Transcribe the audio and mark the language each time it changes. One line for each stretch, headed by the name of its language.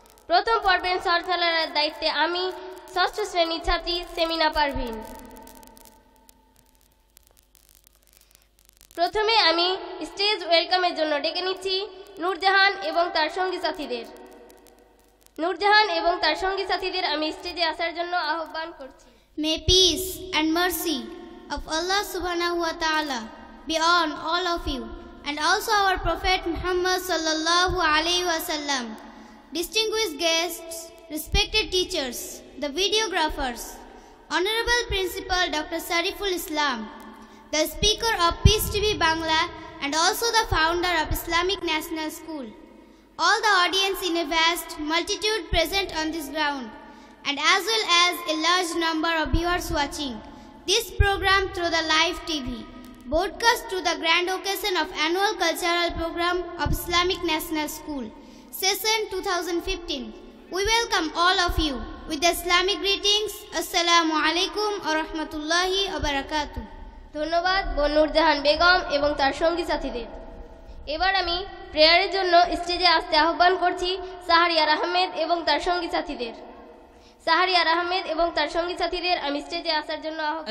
Bangla: প্রথম পর্বের সঞ্চালনার দায়িত্বে আমি ষষ্ঠ শ্রেণীর ছাত্রী সেমিনা পারভীন। প্রথমে আমি স্টেজ ওয়েলকামের জন্য ডেকে নিচ্ছি নূরজাহান এবং তার সঙ্গী সাথীদের। নূরজাহান এবং তার সঙ্গী সাথীদের আমি স্টেজে আসার জন্য আহ্বান করছি।
English: may peace and mercy of Allah
Arabic: সুবহানাহু ওয়া তাআলা
English: be on all of you and also our prophet Muhammad
Arabic: সাল্লাল্লাহু আলাইহি ওয়া সাল্লাম,
English: Distinguished guests, respected teachers, the videographers, honourable principal doctor Shariful Islam, the speaker of Peace TV Bangla and also the founder of Islamic National School, all the audience in a vast multitude present on this ground, and as well as a large number of viewers watching this program through the live TV, broadcast to the grand occasion of annual cultural program of Islamic National School, session 2015. We welcome all of you with the Islamic greetings.
Arabic: Assalamu alaikum wa rahmatullahi wa barakatuh.
Bangla: ধন্যবাদ বন্নুর জাহান বেগম এবং তার সঙ্গী সাথীদের। এবার আমি প্রেয়ারের জন্য স্টেজে আসতে আহ্বান করছি সাহারিয়ার আহমেদ এবং তার সঙ্গী সাথীদের। সাহারিয়ার আহমেদ এবং তার সঙ্গী সাথীদের আমি স্টেজে আসার জন্য আহ্বান।